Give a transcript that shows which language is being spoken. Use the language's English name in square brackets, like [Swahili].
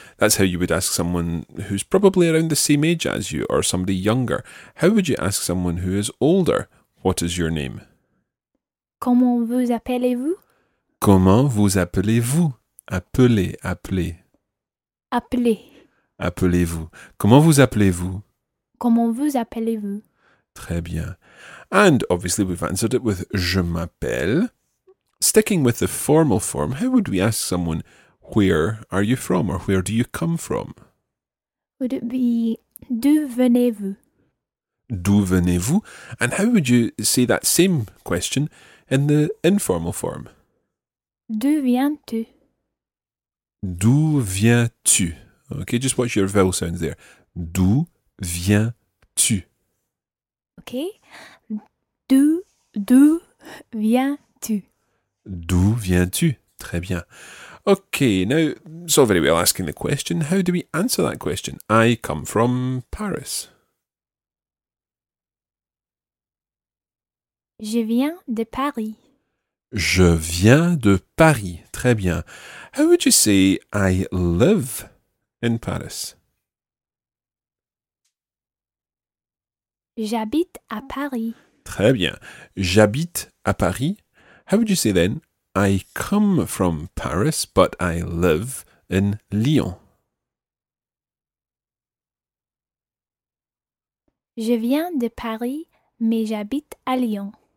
[English] That's how you would ask someone who's probably around the same age as you or somebody younger. How would you ask someone who is older? What is your name? [French] Comment vous appelez-vous? Comment vous appelez-vous? Appelez, appelez. Appelez. Appelez-vous. Comment vous appelez-vous? Comment vous appelez-vous? Très bien. [English] And obviously we've answered it with [French] je m'appelle. [English] Sticking with the formal form, how would we ask someone, where are you from or where do you come from? Would it be, [French] d'où venez-vous? D'où venez-vous? [English] And how would you say that same question in the informal form? [French] D'où viens-tu? D'où viens-tu? [English] Okay, just watch your vowel sounds there. [French] D'où viens-tu? Okay. D'où viens-tu? D'où viens-tu? Très bien. [English] Okay, now, it's all very well asking the question. How do we answer that question? I come from Paris. [French] Je viens de Paris. Je viens de Paris. Très bien. [English] How would you say I live in Paris? [French] J'habite à Paris. Très bien. J'habite à Paris. [English] How would you say then, I come from Paris, but I live in Lyon? [French] Je viens de Paris, mais j'habite à Lyon.